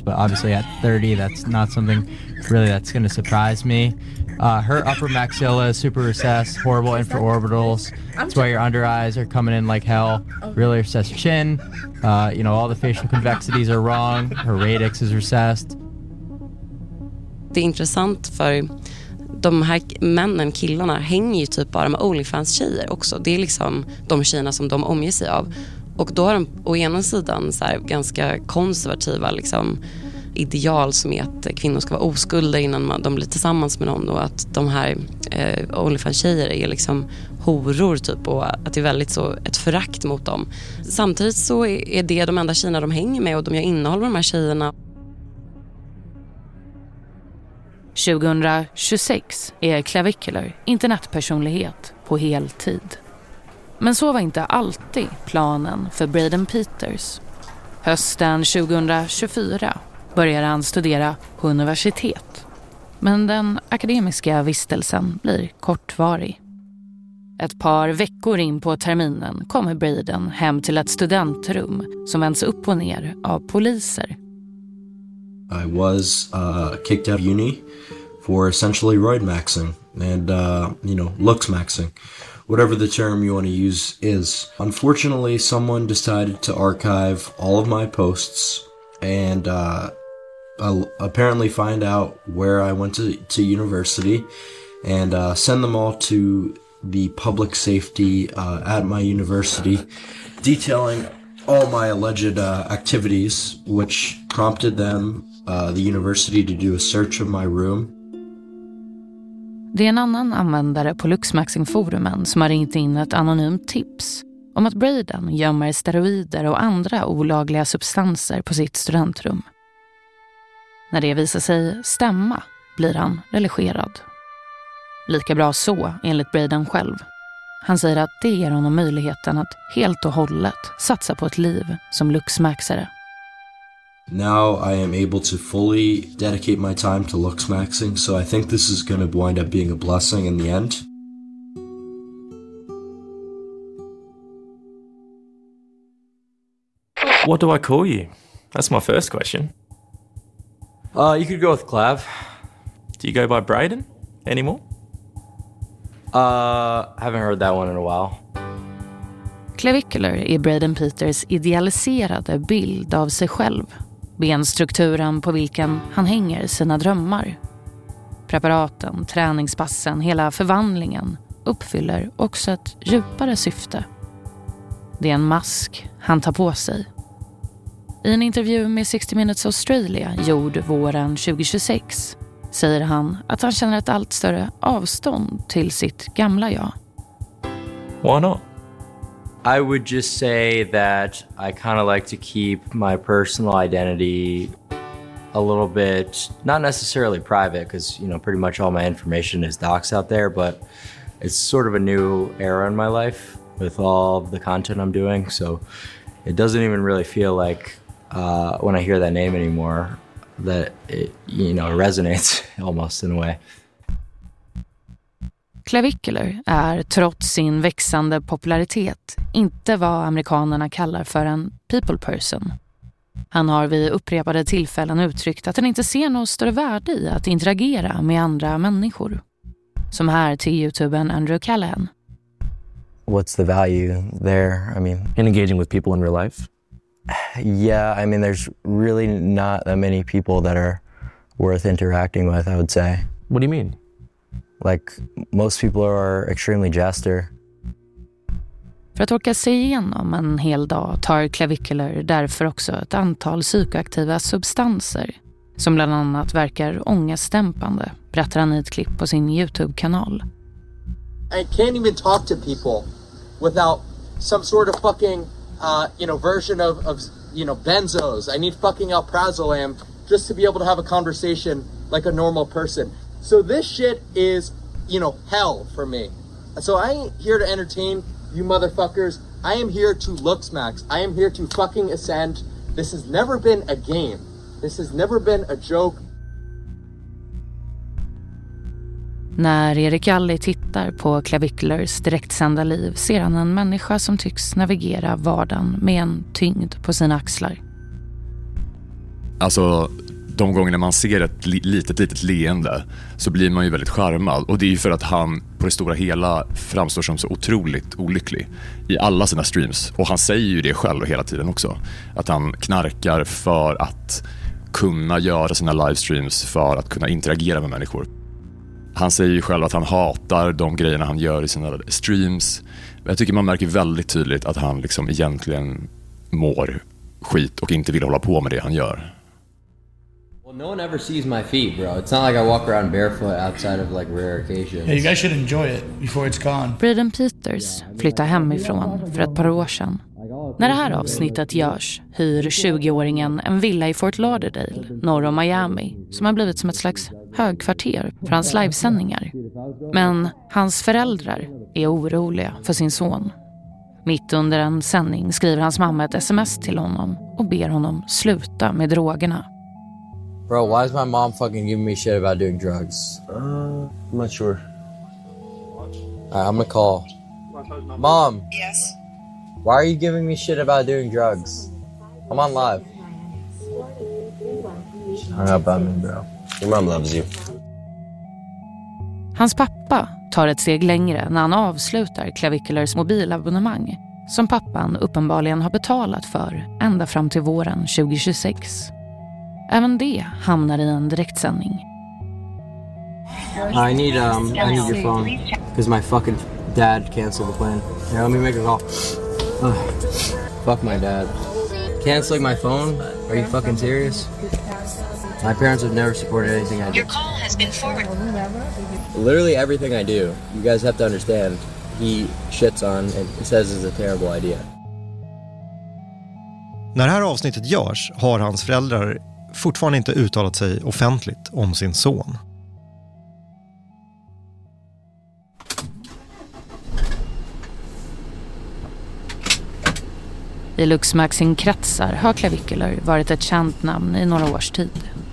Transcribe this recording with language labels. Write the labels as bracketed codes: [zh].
[en] But obviously at 30, that's not something really that's going to surprise me. Her upper maxilla is super recessed, horrible infraorbitals. That's why your under eyes are coming in like hell. Really recessed chin. You know, all the facial convexities are wrong. Her radix is recessed. [sv] Det är intressant för de här männen, killarna, hänger ju typ bara med OnlyFans-tjejer också. Det är liksom de tjejerna som de omger sig av. Och då har de å ena sidan så här ganska konservativa liksom ideal som är att kvinnor ska vara oskulda innan de blir tillsammans med någon. Och att de här OnlyFans-tjejer är liksom horor typ, och att det är väldigt så ett förakt mot dem. Samtidigt så är det de enda tjejerna de hänger med, och de gör innehåll med de här tjejerna. 2026 är Clavicular internetpersonlighet på heltid. Men så var inte alltid planen för Braden Peters. Hösten 2024 började han studera på universitet. Men den akademiska vistelsen blir kortvarig. Ett par veckor in på terminen kommer Braden hem till ett studentrum som vänds upp och ner av poliser. [en] I was kicked out of uni for essentially roid maxing and, you know, looks maxing, whatever the term you want to use is. Unfortunately, someone decided to archive all of my posts and apparently find out where I went to university and send them all to the public safety at my university, detailing all my alleged activities, which prompted them, the university, to do a search of my room. [sv] Det är en annan användare på LuxMaxing-forumen som har ringt in ett anonymt tips om att Braden gömmer steroider och andra olagliga substanser på sitt studentrum. När det visar sig stämma blir han relegerad. Lika bra så, enligt Braden själv. Han säger att det ger honom möjligheten att helt och hållet satsa på ett liv som LuxMaxare. [en] Now I am able to fully dedicate my time to LuxMaxing, so I think this is going to wind up being a blessing in the end. What do I call you? That's my first question. You could go with Clav. Do you go by Brayden anymore? Haven't heard that one in a while. [sv] Clavicular är Brayden Peters idealiserade bild av sig själv. Benstrukturen på vilken han hänger sina drömmar. Preparaten, träningspassen, hela förvandlingen uppfyller också ett djupare syfte. Det är en mask han tar på sig. I en intervju med 60 Minutes Australia gjord våren 2026 säger han att han känner ett allt större avstånd till sitt gamla jag. [en] Why not? I would just say that I kind of like to keep my personal identity a little bit, not necessarily private, because you know pretty much all my information is docs out there, but it's sort of a new era in my life with all of the content I'm doing. So it doesn't even really feel like when I hear that name anymore that it, you know, resonates almost in a way. [sv] Clavicular är trots sin växande popularitet inte vad amerikanerna kallar för en [en] people person. [sv] Han har vid upprepade tillfällen uttryckt att han inte ser något större värde i att interagera med andra människor. Som här till YouTubern Andrew Callahan. [en] What's the value there? I mean, in engaging with people in real life? Yeah, I mean there's really not that many people that are worth interacting with, I would say. What do you mean? Like, most people are extremely jester. [sv] För att orka sig igenom en hel dag tar Clavicular därför också ett antal psykoaktiva substanser som bland annat verkar ångestdämpande, berättar han i ett klipp på sin YouTube-kanal. [en] I can't even talk to people without some sort of fucking version of you know benzos. I need fucking alprazolam just to be able to have a conversation like a normal person. So this shit is, you know, hell for me. So I ain't here to entertain you motherfuckers. I am here to look smacks. I am here to fucking ascend. This has never been a game. This has never been a joke. [sv] När Erik Alli tittar på Clavicklers direktsända liv ser han en människa som tycks navigera vardagen med en tyngd på sina axlar. Alltså, de gånger när man ser ett litet leende så blir man ju väldigt charmad. Och det är ju för att han på det stora hela framstår som så otroligt olycklig i alla sina streams. Och han säger ju det själv hela tiden också. Att han knarkar för att kunna göra sina livestreams för att kunna interagera med människor. Han säger ju själv att han hatar de grejerna han gör i sina streams. Jag tycker man märker väldigt tydligt att han liksom egentligen mår skit och inte vill hålla på med det han gör. [en] No one ever sees my feet, bro. It's not like I walk around barefoot outside of like rare occasions. Yeah, you guys should enjoy it before it's gone. [sv] Brayden Peters flyttar hemifrån för ett par år sedan. När det här avsnittet görs hyr 20-åringen en villa i Fort Lauderdale, norr om Miami, som har blivit som ett slags högkvarter för hans livesändningar. Men hans föräldrar är oroliga för sin son. Mitt under en sändning skriver hans mamma ett sms till honom och ber honom sluta med drogerna. [en] Bro, why is my mom fucking giving me shit about doing drugs? I'm not sure. Alright, I'm gonna call. Mom! Yes? Why are you giving me shit about doing drugs? I'm on live. She hung up on me, bro. Your mom loves you. [sv] Hans pappa tar ett steg längre när han avslutar Clavicular's mobilabonnemang som pappan uppenbarligen har betalat för ända fram till våren 2026. Även det hamnar i en direktsändning. [en] I need your phone because my fucking dad canceled the plan. Here, let me make a call. Fuck my dad. Canceling my phone? Are you fucking serious? My parents have never supported anything I do. Your call has been forwarded. Literally everything I do, you guys have to understand, he shits on and says is a terrible idea. [sv] När det här avsnittet görs har hans föräldrar fortfarande inte uttalat sig offentligt om sin son. I Luxmaxin kretsar har Clavicular varit ett känt namn i några års tid.